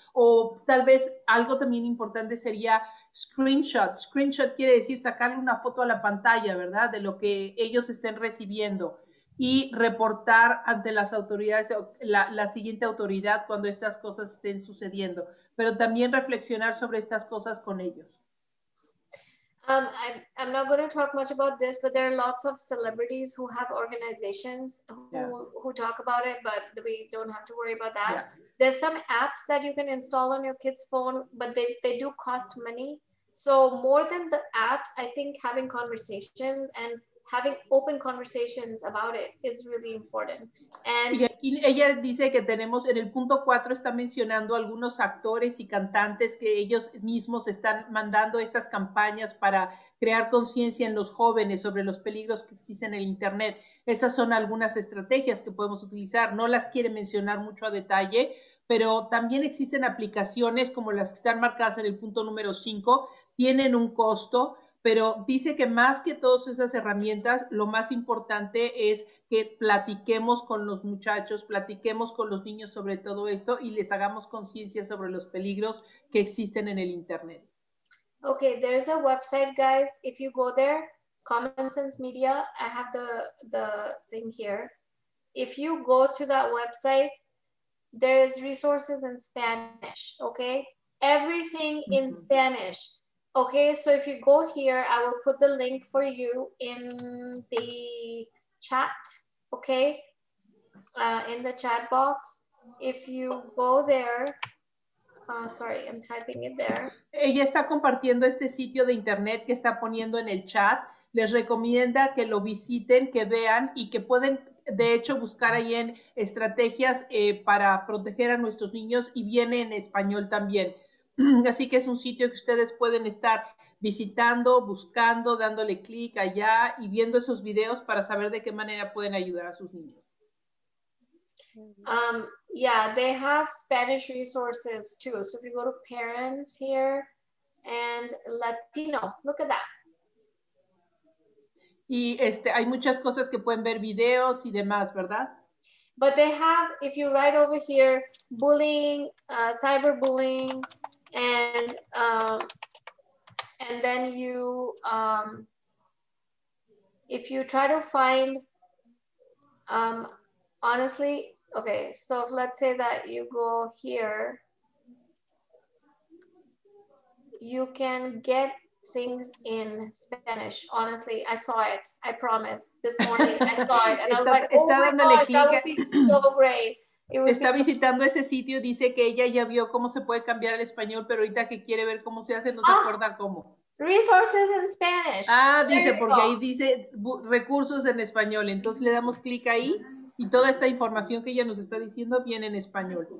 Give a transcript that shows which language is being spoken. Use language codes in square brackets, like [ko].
[es] O tal vez algo también importante sería screenshot. Screenshot quiere decir sacarle una foto a la pantalla, ¿verdad? De lo que ellos estén recibiendo y reportar ante las autoridades, la siguiente autoridad cuando estas cosas estén sucediendo. Pero también reflexionar sobre estas cosas con ellos. [en] I'm not going to talk much about this, but there are lots of celebrities who have organizations who talk about it, but we don't have to worry about that. Yeah. There's some apps that you can install on your kid's phone, but they do cost money. So more than the apps, I think having conversations and having open conversations about it is really important. And [es] ella dice que tenemos, en el punto 4 está mencionando algunos actores y cantantes que ellos mismos están mandando estas campañas para crear conciencia en los jóvenes sobre los peligros que existen en el internet. Esas son algunas estrategias que podemos utilizar. No las quiere mencionar mucho a detalle, pero también existen aplicaciones como las que están marcadas en el punto número 5. Tienen un costo, pero dice que más que todas esas herramientas, lo más importante es que platiquemos con los muchachos, platiquemos con los niños sobre todo esto y les hagamos conciencia sobre los peligros que existen en el internet. [en] Okay, there's a website, guys. If you go there, Common Sense Media, I have the thing here. If you go to that website, there is resources in Spanish, okay? Everything in Spanish. Okay, so if you go here, I will put the link for you in the chat, okay? In the chat box. If you go there, sorry, I'm typing it there. [es] Ella está compartiendo este sitio de internet que está poniendo en el chat. Les recomienda que lo visiten, que vean y que pueden, de hecho, buscar ahí en estrategias para proteger a nuestros niños y viene en español también. Así que es un sitio que ustedes pueden estar visitando, buscando, dándole clic allá y viendo esos videos para saber de qué manera pueden ayudar a sus niños. [en] Yeah, they have Spanish resources too. So if you go to parents here and Latino, look at that. [es] Y hay muchas cosas que pueden ver, videos y demás, ¿verdad? [en] But they have, if you write over here, bullying, cyberbullying, and then you if you try to find honestly, okay, so if let's say that you go here, you can get things in Spanish. Honestly, I saw it, I promise, this morning I saw it and I was like, oh my god, that would be so great. [es] Está visitando ese sitio, dice que ella ya vio cómo se puede cambiar al español, pero ahorita que quiere ver cómo se hace, no se acuerda cómo. [en] Resources in Spanish. [es] Ah, dice, porque ahí dice recursos en español. Entonces le damos clic ahí y toda esta información que ella nos está diciendo viene en español.